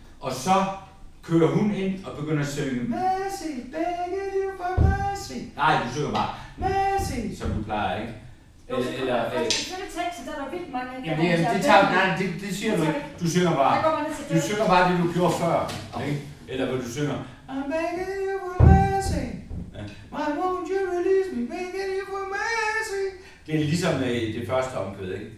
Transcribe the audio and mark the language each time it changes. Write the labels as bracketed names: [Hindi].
[Danish] Og så kører hun ind og begynder at synge Mercy, [English] begging you for mercy. [Danish] Nej, du synger bare Mercy, som du plejer, ikke? Du synger bare det, du gjorde før, ikke? Eller hvor du synger [English] I'm begging you for mercy. Why won't you release me, begging you for mercy. [Danish] Det er ligesom det første omkød, ikke?